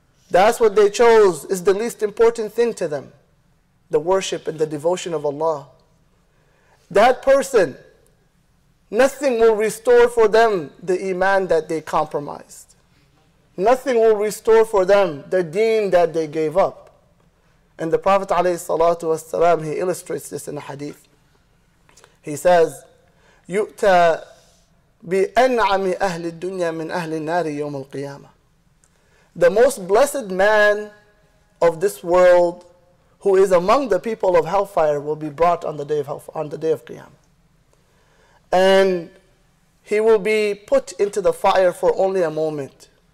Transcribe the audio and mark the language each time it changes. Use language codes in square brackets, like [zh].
[en] That's what they chose is the least important thing to them, the worship and the devotion of Allah. That person, nothing will restore for them the iman that they compromised. Nothing will restore for them the deen that they gave up. And the Prophet alayhi salatu wasalam, he illustrates this in a hadith. He says, [ar] يُؤْتَى بِأَنْعَمِ أَهْلِ الدُّنْيَا مِنْ أَهْلِ النَّارِ يَوْمَ الْقِيَامَةِ. [en] The most blessed man of this world who is among the people of hellfire will be brought on the day of Qiyamah. And he will be put into the fire for only a moment.